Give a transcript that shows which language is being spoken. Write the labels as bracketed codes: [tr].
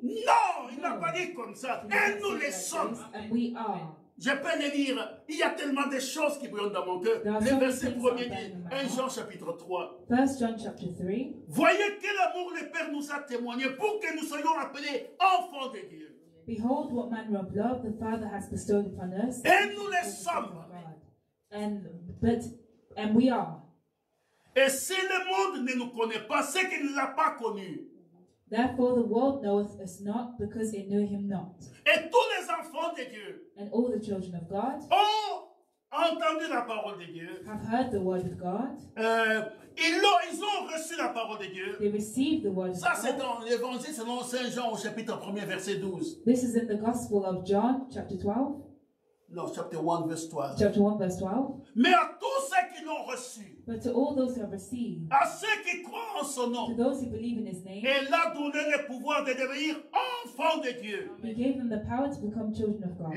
[fr] non, il n'a pas dit comme ça, et nous les sommes, [en] and we are. [fr] Je peux le lire, il y a tellement de choses qui brillent dans mon cœur. Le verset 1er dit, 1 Jean chapitre 3. [en] 1 John chapter 3. [fr] Voyez quel amour le Père nous a témoigné pour que nous soyons appelés enfants de Dieu. [en] Behold what manner of love the Father has bestowed upon us. [fr] Et nous le sommes. [en] And we are. [fr] Et si le monde ne nous connaît pas, c'est qu'il ne l'a pas connu. [en] Therefore the world knoweth us not, because it knew him not. [fr] Et tous les enfants de Dieu, [en] and all the children of God, [fr] ont entendu la parole de Dieu, [en] have heard the word of God, [fr] ils ont reçu la parole de Dieu, [en] they received the word of [fr] ça, [en] God. [fr] Ça c'est dans l'évangile selon Saint Jean au chapitre 1 verset 12. [en] This is in the gospel of John chapter 12. No, chapter 1 verse 12. Chapter 1 verse 12. [fr] Mais à tous ceux qui l'ont reçu. [en] But to all those who have received. [fr] À ceux qui croient en son nom. [en] To those who believe in his name. [fr] Il a donné le pouvoir de devenir enfants de Dieu. [en] He gave them the power to become children of God.